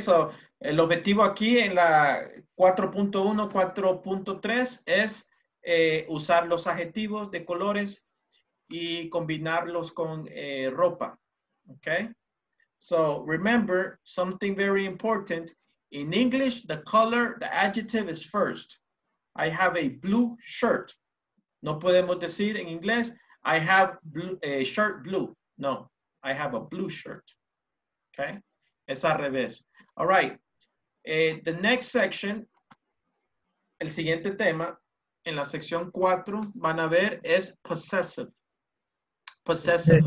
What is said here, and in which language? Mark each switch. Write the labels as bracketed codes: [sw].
[es] So, el objetivo aquí en la 4.1, 4.3 es usar los adjetivos de colores y combinarlos con ropa. [en] Okay. So, remember something very important. In English, the color, the adjective is first. I have a blue shirt. [es] No podemos decir en inglés, [en] I have blue, a shirt blue. No, I have a blue shirt. Okay? [es] Es al revés. [en] All right. The next section, [es] el siguiente tema, en la sección 4, van a ver, es possessive. Possessive.